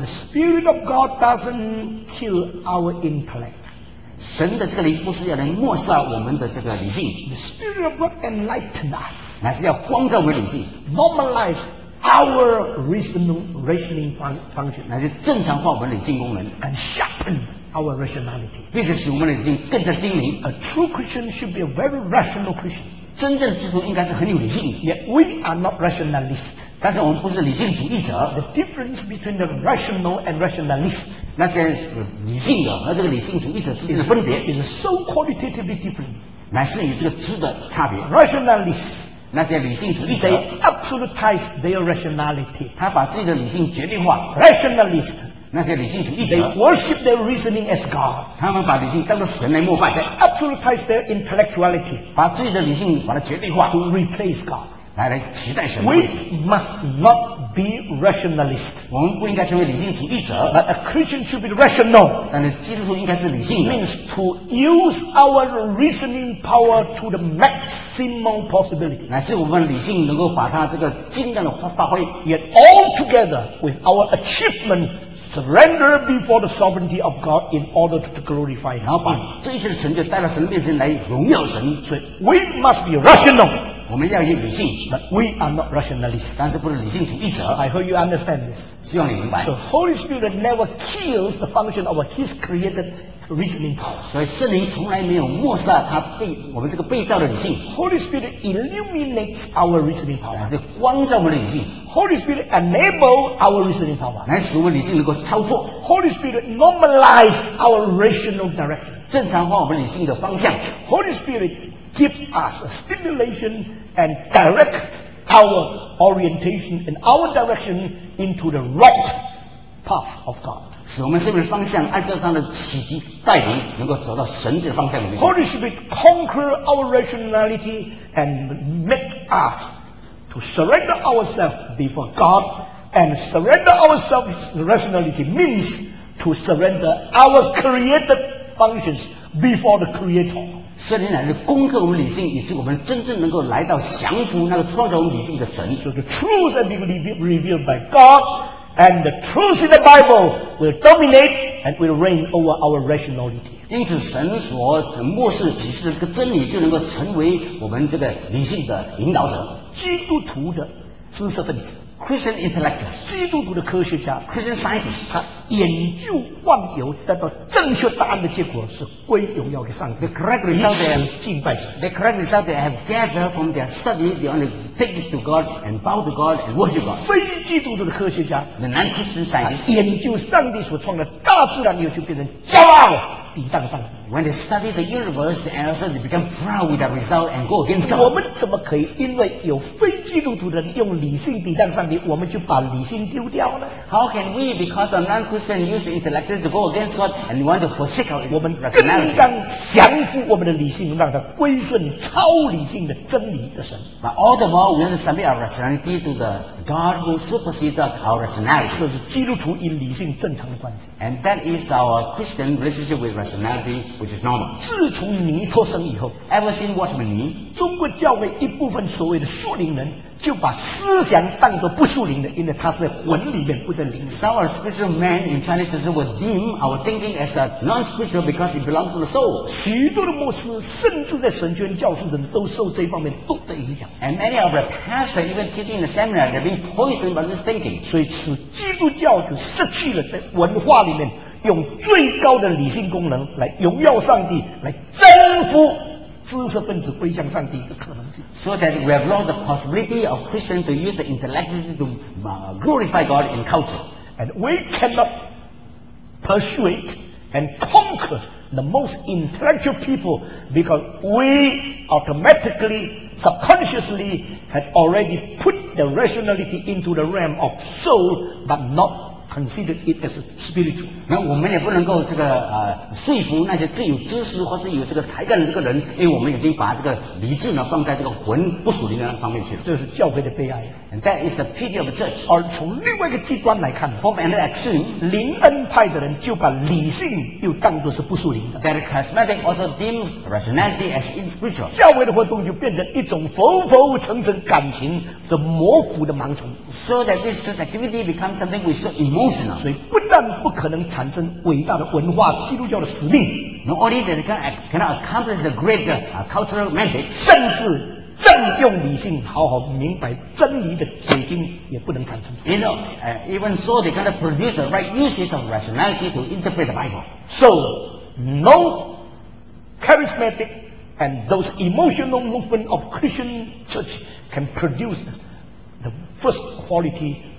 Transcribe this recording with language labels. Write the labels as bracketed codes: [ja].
[en] The spirit of God doesn't kill our intellect. [zh] 神的这个灵不是要来抹杀我们的这个理性。 [en] The spirit of God enlighten us. [zh] 乃是要光照我们的理性。 [en] Normalize. Our reasoning function [zh] 那是正常化我们的理性功能 [en] and sharpen our rationality [zh] 必须使我们的理性更加精明 [en] A true Christian should be a very rational Christian [zh] 真正的基督徒应该是很有理性 [en] Yet we are not rationalists [zh] 但是我们不是理性主义者 [en] The difference between the rational and rationalist [zh] 那些理性的和这个理性主义者之间的分别 [en] is so qualitatively different [zh] 乃是与这个质的差别 [en] Rationalist [zh] 那些理性主义者 [en] They absolutize their rationality [zh] 他把自己的理性决定化 [en] Rationalist [zh] 那些理性主义者 [en] They worship their reasoning as God [zh] 他们把理性当作神来膜拜 [en] They absolutize their intellectuality [zh] 把自己的理性把它决定化 [en] To replace God [zh] 来取代神 [en] We must not be rationalist [zh] 我们不应该成为理性主义者 [en] But a Christian should be rational [zh] 但是基督徒应该是理性的 [en] Means to use our reasoning power to the maxSimple possibility. [zh] 乃是我们理性能够把它这个精量的发挥 [en] Yet all together with our achievement, surrender before the sovereignty of God in order to glorify. [zh] 然后把这些成就带到神面前来荣耀神。 [en] 所以 we must be rational. [zh] 我们要有理性。 [en] But we are not rationalists. [zh] 但是不是理性主义者。 [en] I hope you understand this. [zh] 希望你明白。 [en] So Holy Spirit never kills the function of His created. Reasoning. [zh] 所以圣灵从来没有抹杀他被我们这个被造的理性。 [en] Holy Spirit illuminates our reasoning power. [zh] 是光照我们的理性。 [en] Holy Spirit enables our reasoning power. [zh] 来使我们理性能够操作。 [en] Holy Spirit normalizes our rational direction. [zh] 正常化我们理性的方向。 [en] Holy Spirit gives us a stimulation and direct our orientation and our direction into the right path of God. [zh] 使我们生命方向按照他的启迪带领，能够走到神的方向里面。 [en] Holy Spirit conquer our rationality and make us to surrender ourselves before God, and surrender ourselves rationality means to surrender our created functions before the Creator. [zh] 圣灵乃是攻克我们理性，以致我们真正能够来到降服那个创造我们理性的神。 [en] So the truth that will be revealed by God and the truth in the Bible will dominate and will reign over our rationality. [zh] 因此，神所漠视启示的这个真理就能够成为我们这个理性的引导者。基督徒的知识分子 [en] ，Christian intellectuals， [zh] 基督徒的科学家 [en] ，Christian scientists， [zh] 他研究万有得到正确答案的结果是归荣耀给上帝。 [en] The correct result they have [zh] 敬拜神。 [en] The correct result they have gathered from their study, they only take it to God and bow to God and worship God. [zh] 非基督徒的科学家 [en] ，The non-Christian scientists， [zh] 研究上帝所创的大自然，又就变成骄傲抵挡上帝。 [en] When they study the universe, and also they become proud with that result and go against God. [zh] 我们怎么可以因为有非基督徒的人用理性抵挡上帝，我们就把理性丢掉呢 [en] ？How can we, because the non-Christian use the intellect to go against God and want to forsake our [zh] rationality? 我们更当降服我们的理性，让它归顺超理性的真理的神。 [en] But all the more, we want to submit our rationality to the God who supersedes our rationality. [zh] 这是基督徒与理性正常的关系。 [en] And that is our Christian relationship with rationality. Which is normal. [zh] 自从尼托生以后 [en] ，Ever since Watchman Nee, [zh] 中国教会一部分所谓的属灵人就把思想当作不属灵的，因为他是魂里面不在灵里。 [en] Some spiritual men in Chinese tradition would deem our thinking as a non-spiritual because it belongs to the soul. [zh] 许多的牧师，甚至在神学院教书的人都受这方面毒的影响。 [en] And many of the pastors even teaching in the seminary have been poisoned by this thinking. [zh] 所以使基督教就失去了在文化里面。用最高的理性功能来荣耀上帝，来征服知识分子归向上帝的可能性。 [en] So that we have lost the possibility of Christians to use the intellect to glorify God in culture. And we cannot persuade and conquer the most intellectual people because we automatically, subconsciously had already put the rationality into the realm of soul, but not. Consider it as spiritual. [zh] 那我们也不能够这个说服那些最有知识或是有这个才干的这个人，因为我们已经把这个理智呢放在这个魂不属灵的方面去了。这是教会的悲哀。 [en] And that is the pity of the church. [zh] 而从另外一个极端来看 [en] ，from another extreme, [zh] 灵恩派的人就把理性又当作是不属灵的。 [en] That charismatic also deem rationality as spiritual. [zh] 教会的活动就变成一种浮浮沉沉感情的模糊的盲从。 [en] So that this church activity becomes something we so in. [zh] 所以不但不可能产生伟大的文化基督教的使命 [en] ，not only that cannot accomplish the great cultural mandate， [zh] 甚至占用理性好好明白真理的结晶也不能产生出来。 [en] You know, even so, they cannot produce the right usage of rationality to interpret the Bible. So, no charismatic and those emotional movement of Christian church can produce the first quality.